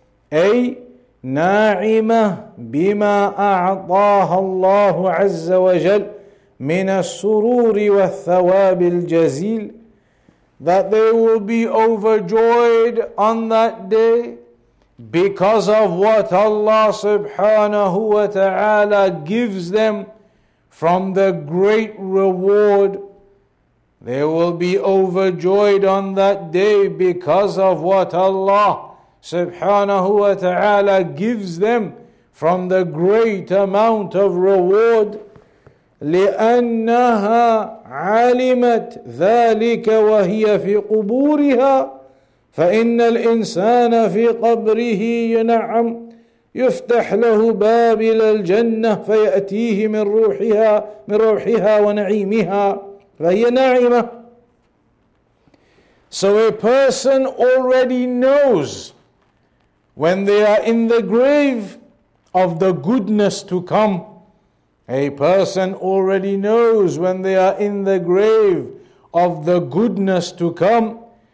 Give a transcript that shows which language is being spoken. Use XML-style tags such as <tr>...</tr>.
<ar>أي ناعمة بما أعطاه الله عز وجل من السرور والثواب الجزيل.</ar> <en>That they will be overjoyed on that day because of what Allah subhanahu wa ta'ala gives them from the great reward. They will be overjoyed on that day because of what Allah subhanahu wa ta'ala gives them from the great amount of reward.</en> <ar>لأنها علمت ذلك وهي في قبورها فإن الإنسان في قبره ينعم يفتح له باب إلى الجنة فيأتيه من روحها من روحها ونعيمها فهي ناعمة.</ar> <en>So a person already knows when they are in the grave of the goodness to come. A person already knows when they are in the grave of the goodness to come.</en>